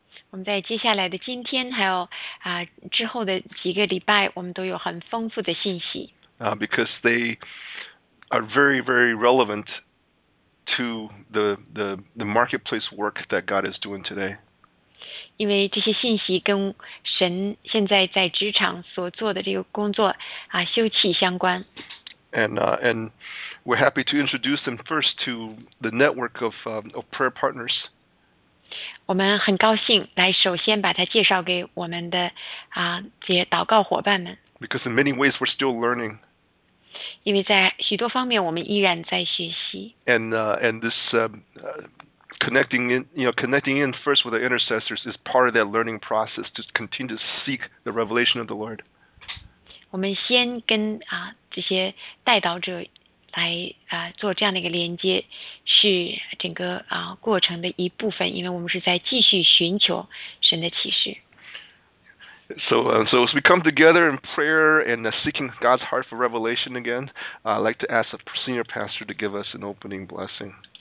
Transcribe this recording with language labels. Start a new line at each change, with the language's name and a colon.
Chinese: 我们在接下来的今天还有之后的几个礼拜我们都有很丰富的信息。
English: Because they are very, very relevant to the marketplace work that God is doing today.
Chinese: 因为这些信息跟神现在在职场所做的这个工作休憩相关。
English: And we're happy to introduce them first to the network of prayer partners.
Chinese: 我们很高兴来首先把它介绍给我们的这些祷告伙伴们。
English: Because in many ways we're still learning.
Chinese: 因为在许多方面我们依然在学习。
English: And this connecting in first with the intercessors is part of that learning process to continue to seek the revelation of the Lord.
Chinese: 我们先跟这些代祷者来做这样的一个连接是整个过程的一部分，因为我们是在继续寻求神的启示。
English: So as we come together in prayer and seeking God's heart for revelation again, I'd like to ask the senior pastor to give us an opening blessing.